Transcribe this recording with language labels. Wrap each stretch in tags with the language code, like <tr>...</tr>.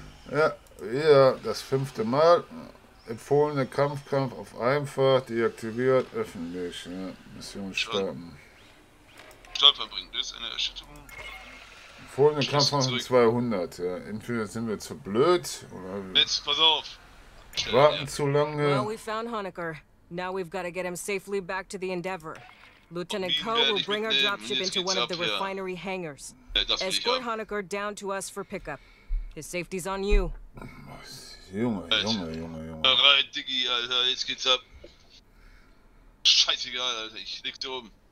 <de>Ja, wieder das fünfte Mal. Empfohlene Kampfkampf auf einfach, deaktiviert, öffentlich. Ja, Mission starten. Stolper bringt das eine Erschütterung. Empfohlene Kampfkampf auf 200, ja. Entweder sind wir zu blöd, oder jetzt, pass auf. Warten zu lange.</de> <en>Well, we found Honecker. Now we've got to get him safely back to the Endeavor. Lieutenant Ko will bring our dropship into one of the refinery hangars. Escort Honecker down to us for pickup. His safety's on you.</en> <de>Junge. Bereit, Diggi, Alter, jetzt geht's ab. Scheißegal, Alter, ich lieg dir oben.</de>